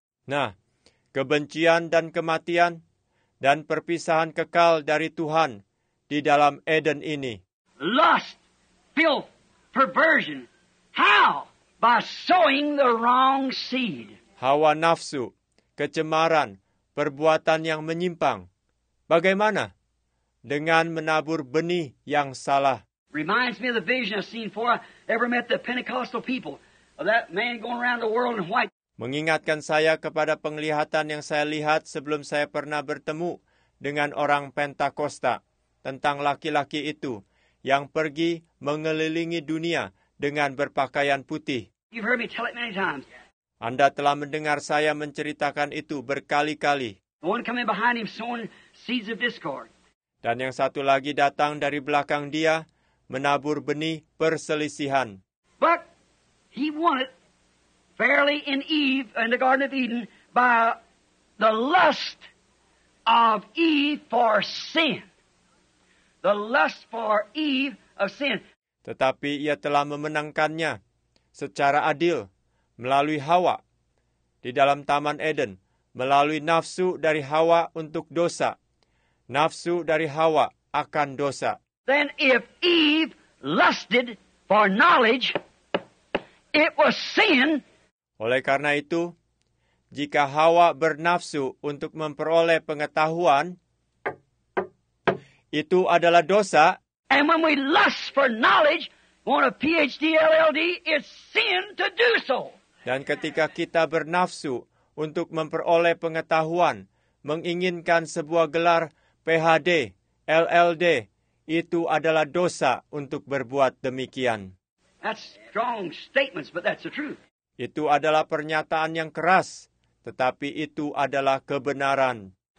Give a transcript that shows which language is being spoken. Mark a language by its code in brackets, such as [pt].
[id] Nah, kebencian dan kematian dan perpisahan kekal dari Tuhan di dalam Eden ini. [en] Lust, filth, perversion. How? By sowing the wrong seed. [id] Hawa nafsu, kecemaran, perbuatan yang menyimpang. Bagaimana? Dengan menabur benih yang salah. [en] Reminds me of the vision I've seen before I ever met the Pentecostal people. Of that man going around the world in white. [id] Mengingatkan saya kepada penglihatan yang saya lihat sebelum saya pernah bertemu dengan orang Pentakosta tentang laki-laki itu yang pergi mengelilingi dunia dengan berpakaian putih. [en] You've heard me tell it many times. [id] Anda telah mendengar saya menceritakan itu berkali-kali. [en] The one coming behind him sowing seeds of discord. [id] Dan yang satu lagi datang dari belakang dia menabur benih perselisihan. [en] But he won it. Fairly in Eve, in the Garden of Eden, by the lust of Eve for sin. The lust for Eve of sin. [id] Tetapi ia telah memenangkannya secara adil melalui Hawa di dalam Taman Eden, melalui nafsu dari Hawa untuk dosa. Nafsu dari Hawa akan dosa. [en] Then if Eve lusted for knowledge, it was sin. [id] Oleh karena itu, jika Hawa bernafsu untuk memperoleh pengetahuan, itu adalah dosa. [en] And when we lust for knowledge, want a PhD, LLD, it's sin to do so. [id] Dan ketika kita bernafsu untuk memperoleh pengetahuan, menginginkan sebuah gelar PhD, LLD, itu adalah dosa untuk berbuat demikian. [en] That's strong statements, but that's the truth. [id] Itu adalah pernyataan yang keras, tetapi itu adalah kebenaran.